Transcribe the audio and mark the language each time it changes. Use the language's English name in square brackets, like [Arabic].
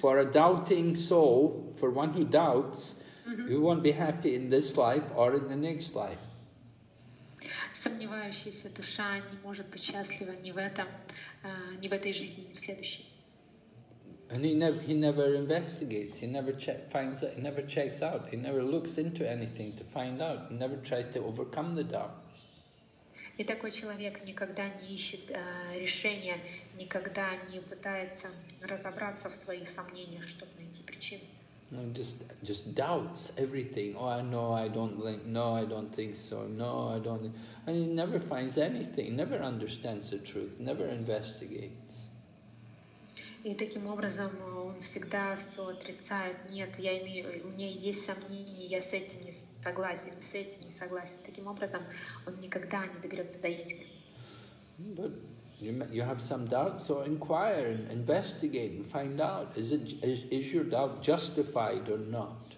[English] For a doubting soul, for one who doubts, you won't be happy in this life or in the next life. [Russian] Сомневающаяся душа не может быть счастлива ни в этом, ни в этой жизни, ни в следующей. [English] And he never investigates. He never checks out. He never looks into anything to find out. He never tries to overcome the doubt. [Russian] И такой человек никогда не ищет решения, никогда не пытается разобраться в своих сомнениях, чтобы найти причину. [English] No, just doubts everything. And he never finds anything, never understands the truth, never investigates. [Russian] И таким образом он всегда все отрицает. Нет, я имею, у меня есть сомнения, я с этим не согласен, с этим не согласен. Таким образом, он никогда не доберется до истины. [English] But you have some doubts, so inquire, investigate, and find out is your doubt justified or not.